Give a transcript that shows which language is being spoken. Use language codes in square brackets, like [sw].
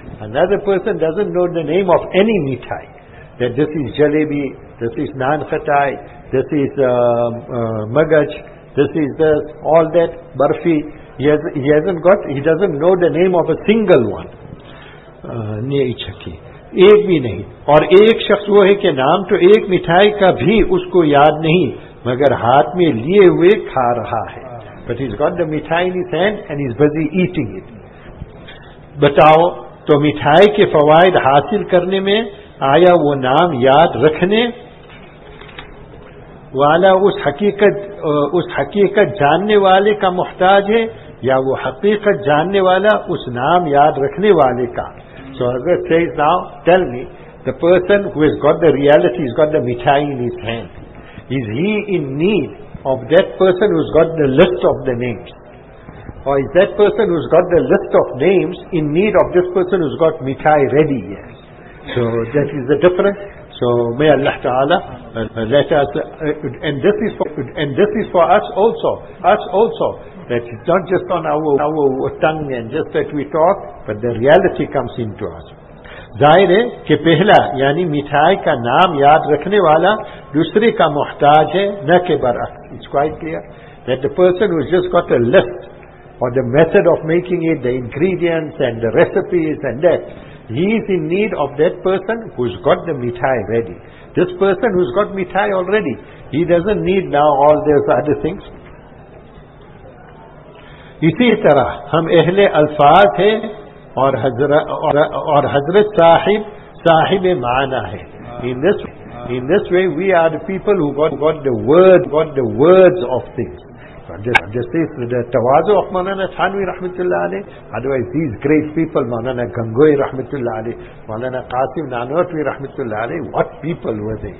[en] Another person doesn't know the name of any mithai. That this is jalebi, this is naan khatai, this is magaj, this is this, all that, barfi. He doesn't know the name of a single one. [ur] Nei chakki. ایک بھی نہیں. اور ایک شخص وہ ہے کہ نام تو ایک مٹھائی کا بھی اس کو یاد نہیں مگر ہاتھ میں لیے ہوئے کھا رہا ہے. [en] But he's got the mithai in his hand and he's busy eating it. [ur] بتاؤ تو مٹھائی کے فوائد حاصل کرنے میں آیا وہ نام یاد رکھنے والا اس حقیقت جاننے والے کا محتاج ہے یا وہ حقیقت جاننے والا اس نام یاد رکھنے والے کا. [en] So Hazrat says, now tell me, the person who has got the reality, he's got the mithai in his hand. Is he in need of that person who's got the list of the names? Or is that person who's got the list of names in need of this person who's got mithai ready? Yes. So that is the difference. So may Allah Ta'ala let us, and this is for us also, that it's not just on our tongue and just that we talk, but the reality comes into us. [ur] ظاہر ہے کہ پہلا یعنی مٹھائی کا نام یاد رکھنے والا دوسرے کا محتاج ہے نہ کہ برعکس. [en] It's quite clear that the person who's just got a list or the method of making it, the ingredients and the recipes and that, he is in need of that person who's got the mithai ready. This person who's got mithai already, he doesn't need now all those other things. [ur] اسی طرح ہم اہل الفاظ ہیں اور حضرت صاحب معنی ہے. [en] In this way we are the people who got the words of things. This is the tawazu of Maulana Thanvi rahmatullah alayhi. Otherwise these great people, Maulana Gangoi rahmatullah alayhi, Maulana Qasim Nanotvi rahmatullah alayhi, what people were they.